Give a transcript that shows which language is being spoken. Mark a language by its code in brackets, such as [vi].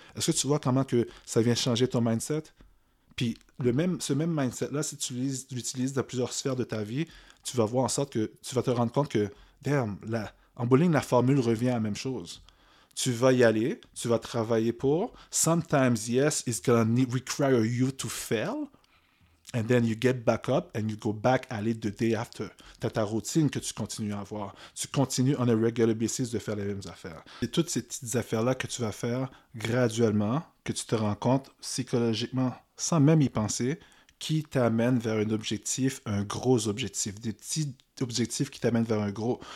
[fr] Est-ce que tu vois comment que ça vient changer ton mindset? Puis ce même mindset-là, si tu l'utilises dans plusieurs sphères de ta vie, tu vas voir en sorte que tu vas te rendre compte que, damn, en bowling, la formule revient à la même chose. Tu vas y aller, tu vas travailler pour. [en] Sometimes, yes, it's going to require you to fail. And then you get back up and you go back at it the day after. [fr] T'as ta routine que tu continues à avoir. Tu continues [en] on a regular basis [fr] de faire les mêmes affaires. C'est toutes ces petites affaires-là que tu vas faire graduellement, que tu te rends compte psychologiquement, sans même y penser, qui t'amène vers un objectif, un gros objectif, des petits objectifs qui t'amènent vers un gros.